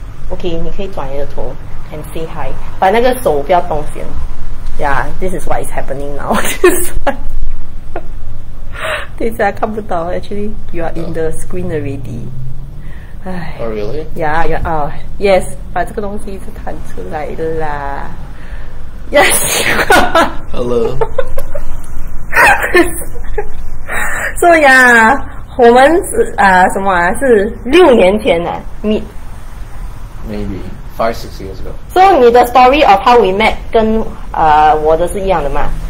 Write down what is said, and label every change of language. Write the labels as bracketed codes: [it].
[zh] Okay, 你可以转你的头 [en] and say hi. [zh] 把那个手不要动先. [en] Yeah, this is what is happening now. [zh] 等一下看不到 [en] actually you are in the screen already. Oh really? Yeah, yeah. Oh, yes. [zh] 把这个东西是弹出来的啦. [en] Yes. Hello. [zh] So yeah, 我们是什么啊？是六年前呢 ？Meet. [en] Maybe 5-6 years ago. [zh] So 你的 [en] story of how we met [zh] 跟我的是一样的吗？